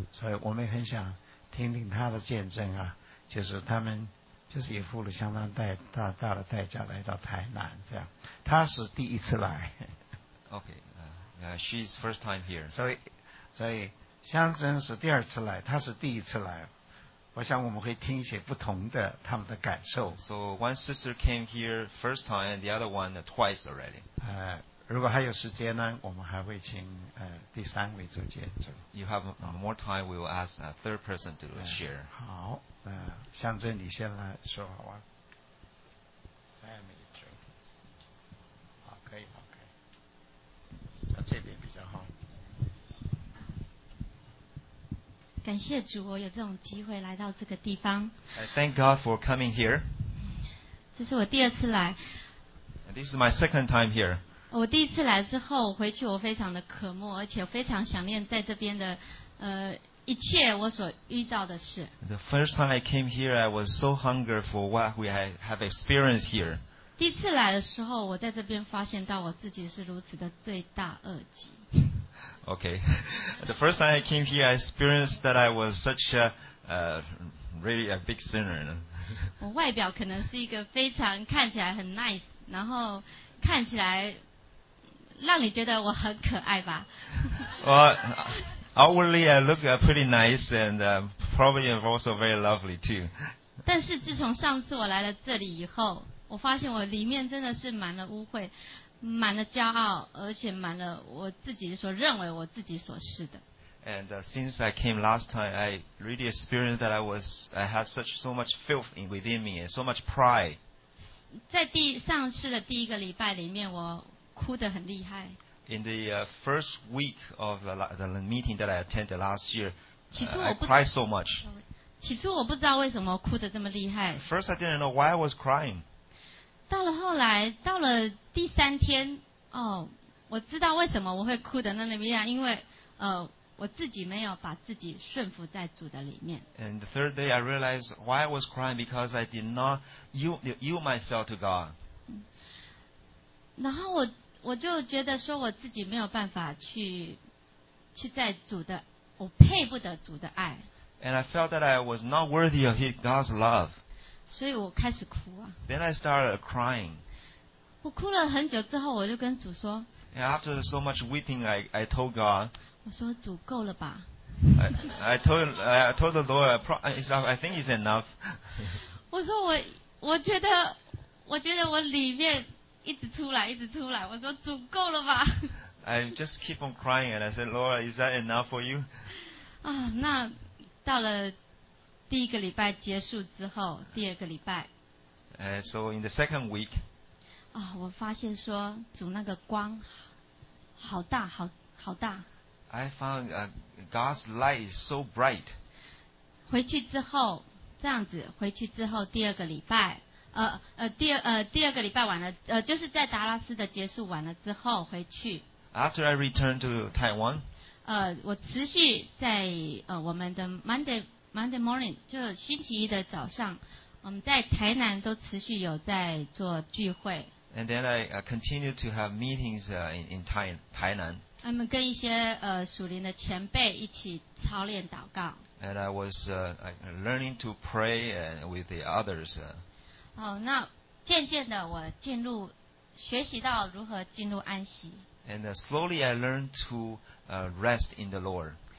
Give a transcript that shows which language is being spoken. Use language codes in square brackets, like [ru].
[zh] 所以我们很想听听她的见证啊，就是他们就是也付了相当大的代价来到台南这样。她是第一次来。 [en] Okay, she's first time here. [zh] 所以香珍是第二次来，她是第一次来。我想我们会听一些不同的他们的感受。 [en] So one sister came here first time, and the other one twice already. [zh] 如果还有时间呢，我们还会请第三位做见证。 [en] You have more time, we will ask a third person to share. [zh] 好，香珍你先来说好吧。再没一句。好，可以，好，可以。在这边比较好。感谢主，我有这种机会来到这个地方。 [en] Thank God for coming here. [zh] 这是我第二次来。 [en] This is my second time here. [zh] 我第一次来之后回去，我非常的渴慕，而且非常想念在这边的一切我所遇到的事。 [en] The first time I came here, I was so hungry for what we have experienced here. [zh] 第一次来的时候，我在这边发现到我自己是如此的罪大恶极。 [en] Okay. The first time I came here, I experienced that I was such a really a big sinner. [zh] 我外表可能是一个非常看起来很 nice, 然后看起来让你觉得我很可爱吧。 [en] Well, outwardly I look pretty nice and probably also very lovely too. [zh] 但是自从上次我来了这里以后，我发现我里面真的是满了污秽。满了骄傲，而且满了我自己所认为我自己所是的。 [en] And since I came last time, I really experienced that I had so much filth within me, and so much pride. [zh] 在上次的第一个礼拜里面，我哭得很厉害。 [en] In the first week of the meeting that I attended last year, [zh] 其实 [en] I cried so much. [zh] 起初我不知道为什么哭得这么厉害。 [en] First, I didn't know why I was crying. [zh] 到了后来，到了第三天，哦，我知道为什么我会哭的那里面，因为我自己没有把自己顺服在主的里面。 [en] And the third day, I realized why I was crying because I did not yield myself to God. [zh] 然后我就觉得说我自己没有办法去在主的，我配不得主的爱。 [en] And I felt that I was not worthy of God's love. [zh] 所以我开始哭啊。 [en] Then I started crying. [zh] 我哭了很久之后，我就跟主说。 [en] And after so much weeping, I told God. [zh] 我说主够了吧。 [en] I told the Lord, I think it's enough. [zh] 我说我觉得我里面一直出来，我说主够了吧。 [en] I just keep on crying and I said, Lord, is that enough for you? [zh] 啊，那到了。第一个礼拜结束之后，第二个礼拜。 [en] So in the second week. [zh] 啊，我发现说主那个光好大，好大。 [en] I found God's light is so bright. [zh] 回去之后，这样子回去之后，第二个礼拜，第二个礼拜完了，就是在达拉斯的结束完了之后回去。 [en] After I returned to Taiwan. [zh] 我持续在我们的 [en] Monday morning, [zh] 就星期一的早上，我们在台南都持续有在做聚会。 [en] And then I continue to have meetings in Tainan. [zh] 我们跟一些属灵的前辈一起操练祷告。 [en] And I was learning to pray with the others. [zh] 那渐渐的我进入学习到如何进入安息。 [en] And slowly I learned to rest in the Lord.